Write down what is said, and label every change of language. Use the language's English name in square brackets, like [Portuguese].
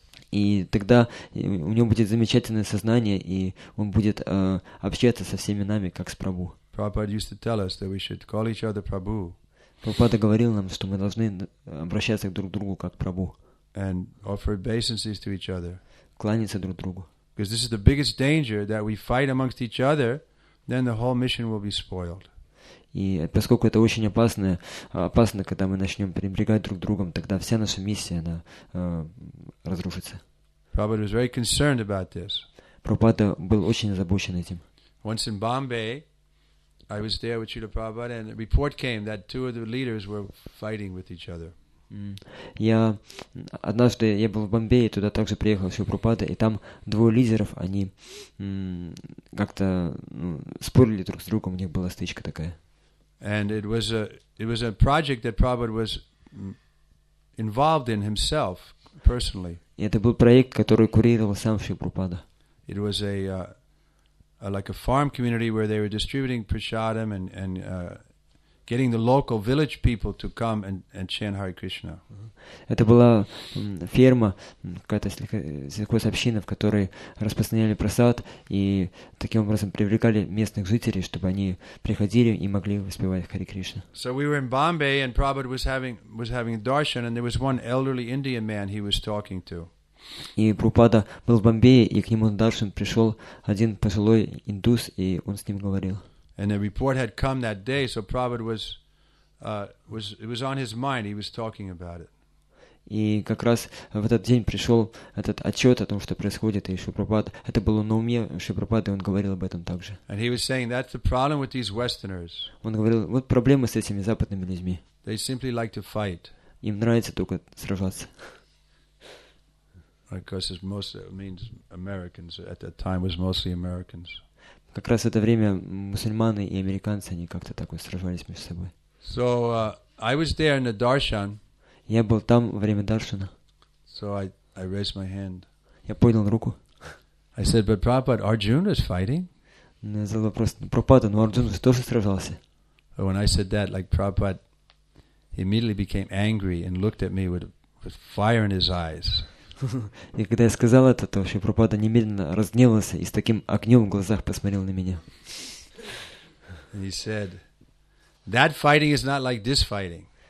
[Russian] И тогда у него будет замечательное сознание, и он будет общаться со всеми нами, как с Прабху. [English] Prabhupada used to tell us that we should call each other Prabhu. [Russian] Prabhupada говорил нам, что мы должны обращаться друг к другу как Прабху. [English] And offer obeisances to each other. [Russian] Кланяться друг другу. [English] Because this is the biggest danger, that we fight amongst each other, then the whole mission will be spoiled. [Russian] И поскольку это очень опасно, когда мы начнем пренебрегать друг другом, тогда вся наша миссия, она разрушится. [English] Prabhupada was very concerned about this. [Russian] Prabhupada был очень озабочен этим. [English] Once in Bombay, I was there with Srila Prabhupada, and a report came that two of the leaders were fighting with each other. [Russian] Однажды я был в Бомбее, туда также приехал Шрила Прабхупада, и там двое лидеров, они как-то спорили друг с другом, у них была стычка такая. [English] And it was a project that Prabhupada was involved in himself personally. [Russian] И это был проект, который курировал сам Шрила Прабхупада. [English] It was a like a farm community where they were distributing prasadam and getting the local village people to come and chant Hare Krishna. [Russian] Это была ферма, какая-то сельская община, в которой распространяли просад и таким образом привлекали местных жителей, чтобы они приходили и могли воспевать Хари Кришна. [English] So we were in Bombay and Prabhupada was having darshan, and there was one elderly Indian man he was talking to. [Russian] И Прабхупада был в Бомбее, и к нему на даршан пришел один пожилой индус, и он с ним говорил. [English] And the report had come that day, so Prabhupada was on his mind. He was talking about it. [Russian] И как раз в этот день пришел этот отчет о том, что происходит, и Шрила Прабхупада, это было на уме Шрила Прабхупады, и он говорил об этом также. [English] And he was saying, that's the problem with these Westerners. [Russian] Он говорил, вот проблема с этими западными людьми. [English] They simply like to fight. [Russian] Им нравится только сражаться. [English] Of course, it's mostly, it means Americans at that time was mostly Americans. [Russian] Как раз в это время мусульмане и американцы, они как-то так вот сражались между собой. [English] So I was there in the darshan. [Russian] Я был там во время даршана. [English] So I raised my hand. [Russian] Я поднял руку. [English] I said, but Prabhupada, Arjuna is fighting. [Russian] Я задал вопрос, Прабхупада, но Арджуна тоже сражался. [English] But when I said that, like Prabhupada, he immediately became angry and looked at me with fire in his eyes. [Russian] И когда я сказал это, то вообще Прабхупада немедленно разгневался и с таким огнем в глазах посмотрел на меня. [English] He said, that fighting is not like this fighting.